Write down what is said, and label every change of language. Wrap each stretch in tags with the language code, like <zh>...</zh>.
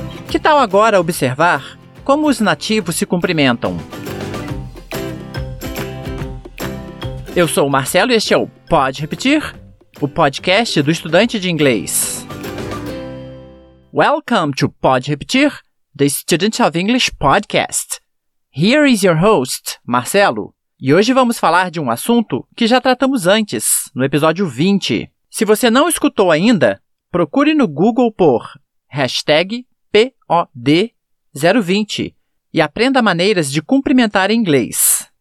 <pt>Que tal agora observar como os nativos se cumprimentam? Eu sou o Marcelo e este é o Pode Repetir? O podcast do estudante de inglês.</pt> <en>Welcome to Pode Repetir? The Student of English Podcast. Here is your host, Marcelo.</en> <pt>E hoje vamos falar de um assunto que já tratamos antes, no episódio 20. Se você não escutou ainda, procure no Google por hashtag POD020 e aprenda maneiras de cumprimentar em inglês.</pt>